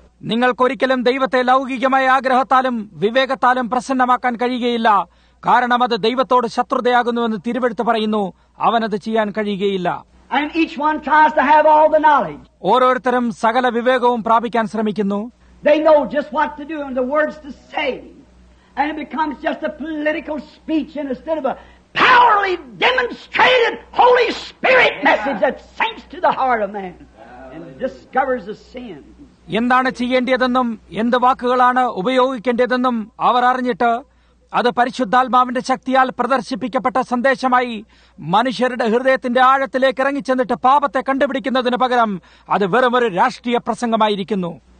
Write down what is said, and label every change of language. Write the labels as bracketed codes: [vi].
[ml] നിങ്ങൾക്കൊരിക്കലും ദൈവത്തെ ലൗകികമായ ആഗ്രഹത്താലും വിവേകത്താലും പ്രസന്നമാക്കാൻ കഴിയുകയില്ല, കാരണം അത് ദൈവത്തോട് ശത്രുതയാകുന്നുവെന്ന് തിരുവെഴുത്ത് പറയുന്നു. അവനത് ചെയ്യാൻ കഴിയുകയില്ല. [en] And each one tries to have all the knowledge. [ml] ഓരോരുത്തരും സകല വിവേകവും പ്രാപിക്കാൻ ശ്രമിക്കുന്നു. [en] They know just what to do and the words to say. And it becomes just a political speech instead of a powerfully demonstrated Holy Spirit message that sinks to the heart of man and discovers the sin. [ml] എന്താണ് ചെയ്യേണ്ടതെന്നും എന്ത് വാക്കുകളാണ് ഉപയോഗിക്കേണ്ടതെന്നും അവർ അറിഞ്ഞിട്ട് അത് പരിശുദ്ധാത്മാവിന്റെ ശക്തിയാൽ പ്രദർശിപ്പിക്കപ്പെട്ട സന്ദേശമായി മനുഷ്യരുടെ ഹൃദയത്തിന്റെ ആഴത്തിലേക്ക് ഇറങ്ങിച്ചെന്നിട്ട് പാപത്തെ കണ്ടുപിടിക്കുന്നതിന് പകരം അത് വെറുമൊരു രാഷ്ട്രീയ പ്രസംഗമായിരിക്കുന്നു.